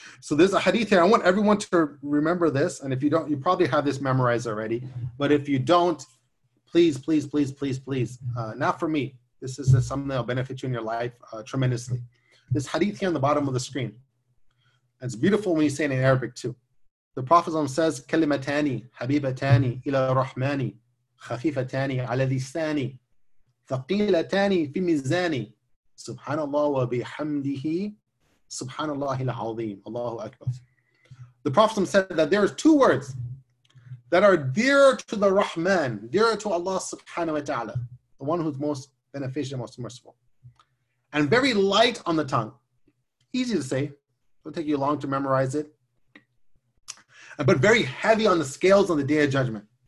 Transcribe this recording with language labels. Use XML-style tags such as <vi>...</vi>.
<en>So there's a hadith here. I want everyone to remember this. And if you don't, you probably have this memorized already. But if you don't, please, please, please, please, please. Not for me. This is something that will benefit you in your life tremendously. This hadith here on the bottom of the screen. It's beautiful when you say it in Arabic too. The Prophet says,</en> <ar>كَلِمَتَانِ حَبِيبَتَانِ إِلَى رَحْمَانِ خَفِيفَتَانِ عَلَى لِسَانِ ثَقِيلَتَانِ فِي مِزَانِ سُبْحَانَ اللَّهُ وَبِحَمْدِهِ سُبْحَانَ اللَّهِ الْعَظِيمِ Allahu Akbar.</ar> <en>The Prophet said that there are two words that are dearer to the Rahman, dearer to Allah</en> <ar>subhanahu wa ta'ala,</ar> <en>the one who's most beneficial, most merciful, and very light on the tongue. Easy to say, don't take you long to memorize it, but very heavy on the scales on the Day of Judgment.</en>